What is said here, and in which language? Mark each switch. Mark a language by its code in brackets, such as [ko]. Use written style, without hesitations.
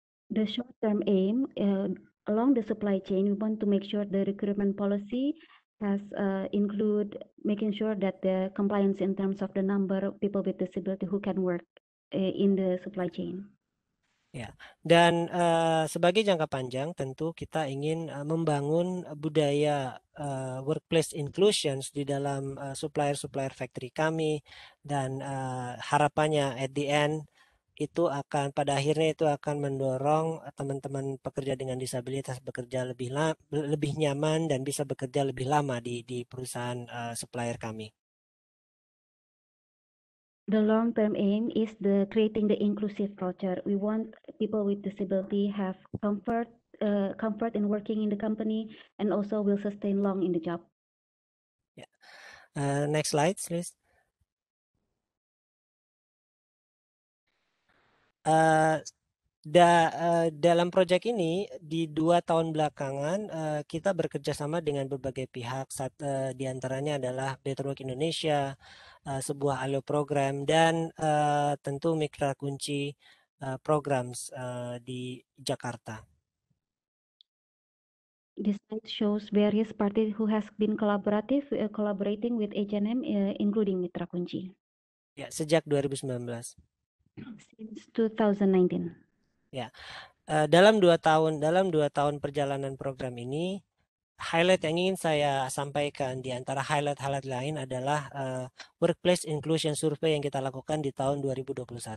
[en] The short-term aim, along the supply chain, we want to make sure the recruitment policy has include making sure that the compliance in terms of the number of people with disability who can work in the supply chain. [id] Ya, dan sebagai jangka panjang tentu kita ingin membangun budaya workplace inclusions di dalam supplier-supplier factory kami dan harapannya [en] at the end [id] itu akan pada akhirnya itu akan mendorong teman-teman pekerja dengan disabilitas bekerja lebih nyaman dan bisa bekerja lebih lama di perusahaan supplier kami. [en] The long term aim is the creating the inclusive culture. We want people with disability have comfort in working in the company and also will sustain long in the job. Yeah. Next slide please. Uh, [id] Dalam proyek ini, di 2 tahun belakangan, kita bekerja sama dengan berbagai pihak, di antaranya adalah Better Work Indonesia, sebuah ALO program, dan tentu mitra kunci programs di Jakarta. [en] This slide shows various parties who has been collaborating with H&M, including mitra kunci. [id] Ya, sejak 2019. [en] Since 2019. [id] Ya, dalam dua tahun perjalanan program ini, highlight yang ingin saya sampaikan di antara highlight-highlight lain adalah workplace inclusion survey yang kita lakukan di tahun 2021.